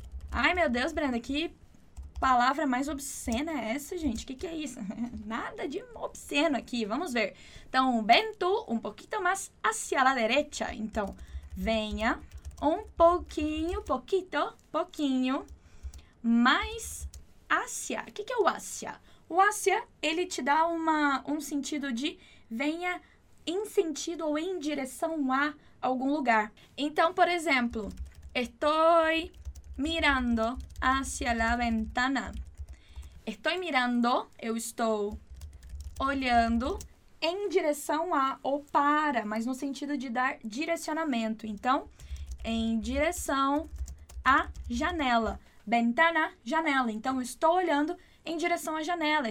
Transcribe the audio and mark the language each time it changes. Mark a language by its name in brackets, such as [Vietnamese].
[Portuguese] Ai, meu Deus, Brenda, que palavra mais obscena é essa, gente? Que é isso? Nada de obsceno aqui, vamos ver. [Spanish] Então, ben tú, un poquito más hacia la derecha. [Portuguese] Então, venha um pouquinho, poquito, pouquinho, mais hacia. O que é o hacia? O hacia, ele te dá um sentido de venha em sentido ou em direção a algum lugar. Então, por exemplo, [Spanish] estoy mirando hacia la ventana. Estoy mirando, [Portuguese] eu estou olhando em direção a ou para, mas no sentido de dar direcionamento. Então, em direção à janela. Ventana, janela. Então, estou olhando em direção à janela.